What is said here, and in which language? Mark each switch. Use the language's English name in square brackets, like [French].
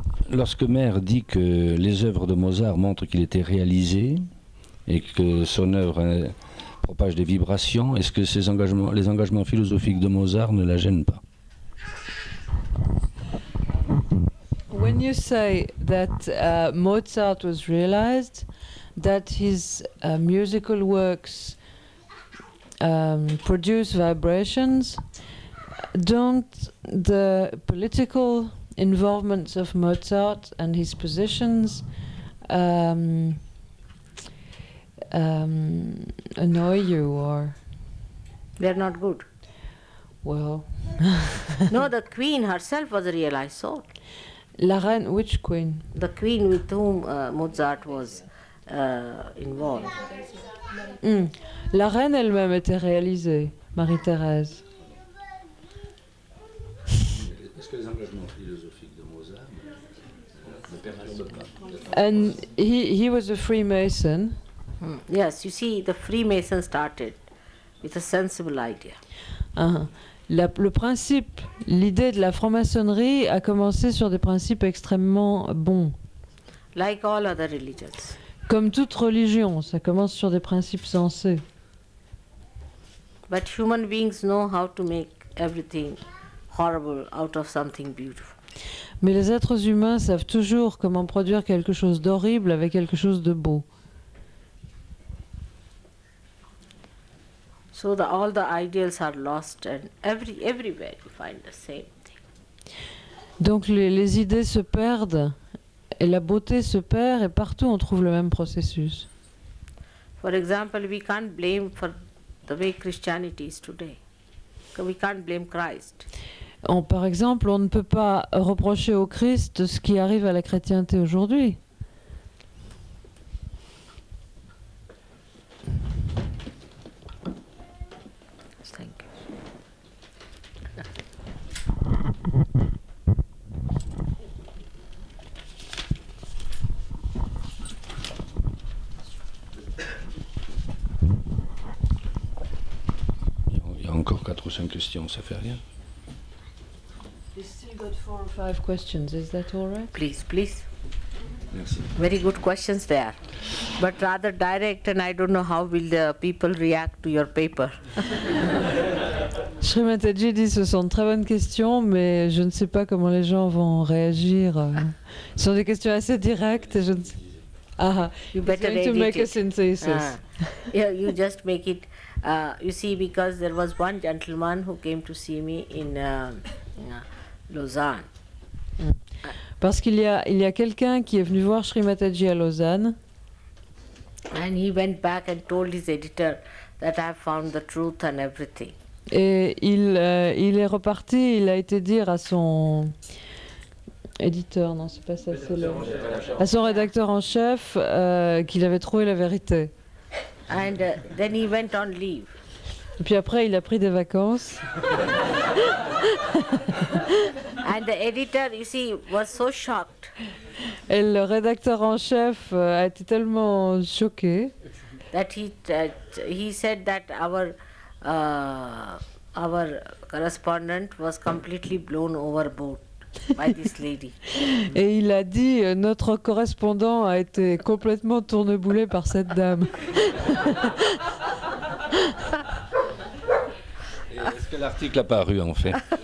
[French] Lorsque Mère dit que les œuvres de Mozart montrent qu'il était réalisé et que son œuvre propage des vibrations, est-ce que ces engagements, les engagements philosophiques de Mozart ne la gênent pas? [English] When you say that Mozart was realized, that his musical works produce vibrations, don't the political involvements of Mozart and his positions annoy you, or they're not good? Well. No, the queen herself was a realized soul. [French] La reine, [English] which queen? The queen with whom Mozart was involved. Mm. [French] La reine elle-même était réalisée, Marie-Thérèse. Est-ce que les engagements philosophiques de Mozart ne permettent pas? [English] And he was a Freemason. Mm. Yes, you see, the Freemason started with a sensible idea. [French] Le principe, l'idée de la franc-maçonnerie a commencé sur des principes extrêmement bons. [English] Like all other religions. [French] Comme toute religion, ça commence sur des principes sensés. [English] But human beings know how to make everything horrible out of something beautiful. [French] Mais les êtres humains savent toujours comment produire quelque chose d'horrible avec quelque chose de beau. [English] So the, all the ideals are lost, and everywhere you find the same thing. [French] Donc les idées se perdent, et la beauté se perd, et partout on trouve le même processus. [English] For example, we can't blame for the way Christianity is today. We can't blame Christ. [French] Par exemple, on ne peut pas reprocher au Christ ce qui arrive à la chrétienté aujourd'hui. Encore 4 ou 5 questions, ça fait rien. [English] We still got 4 or 5 questions, is that all right? Please. [French] Merci. [English] Very good questions there. But rather direct, and I don't know how will the people react to your paper. [French] Shri Mataji dit, ce sont de très bonnes questions, mais je ne sais pas comment les gens vont réagir. Ce sont des questions assez directes, je ne sais pas. Ah, [English] you better edit it. going to make a synthesis. Yeah, you just make it. You see, because there was one gentleman who came to see me in Lausanne. [French] Parce qu'il y a quelqu'un qui est venu voir Shri Mataji à Lausanne. [English] And he went back and told his editor that I found the truth and everything. [French] Et il est reparti. Il a été dire à son éditeur, non, c'est pas ça, c'est le à son rédacteur en chef qu'il avait trouvé la vérité. [English] And then he went on leave. [French] Et puis après, il a pris des vacances. [English] And the editor, you see, was so shocked. [French] Et le rédacteur en chef a été tellement choqué. [English] That he said that our correspondent was completely blown overboard by this lady. [French] Et il a dit, notre correspondant a été complètement tourneboulé par cette dame. Et est-ce que l'article a paru en fait?